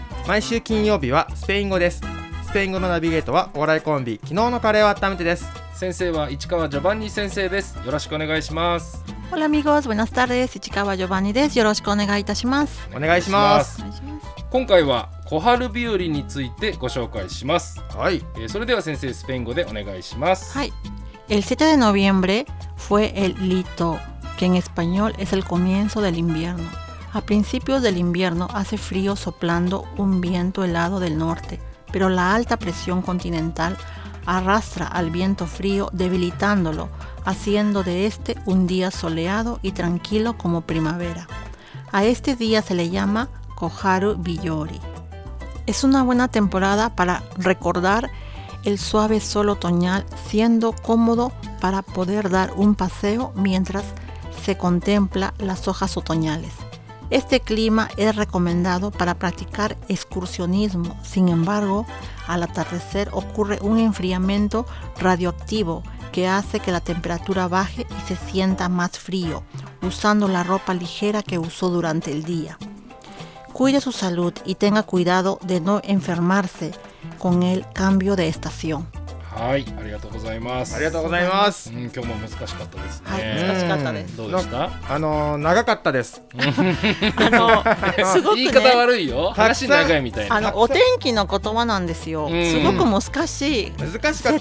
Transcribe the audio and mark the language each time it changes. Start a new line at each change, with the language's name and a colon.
Japanese: 毎週金曜日はスペイン語です。スペイン語のナビゲートはお笑いコンビ昨日のカレーを温めてです。先生は市川ジョバンニ先生です。よろしくお願いします。ホラミゴーズ、ブナスタルです。市川ジョバンニです。よろしくお願いいたします。お願いします。今回は小春日和についてご紹介します。はい、それでは先生スペイン語でお願いします。
Spanish: はい、El 7 de noviembre fue el lito, que en español es el comienzo del invierno. A principios del invierno hace frío soplando un viento helado del norte, pero la alta presión continental arrastra al viento frío debilitándolo, haciendo de este un día soleado y tranquilo como primavera. A este día se le llama Koharu Biyori. Es una buena temporada para recordar el suave sol otoñal, siendo cómodo para poder dar un paseo mientras se contempla las hojas otoñales. Este clima es recomendado para practicar excursionismo. Sin embargo, al atardecer ocurre un enfriamiento radioactivo que hace que la temperatura baje y se sienta más frío, usando la ropa ligera que usó durante el día. Cuide su salud y tenga cuidado de no enfermarse con el cambio de estación。
Japanese: はい、ありがとうございます。ありがとうございます。うん、今日も難しかったですね。はい、難しかったです。どうでした？長かったですすごくね、言い方悪いよ、話長いみたいな。お天気の言葉なんですよ。すごく難しい、難しかったですね、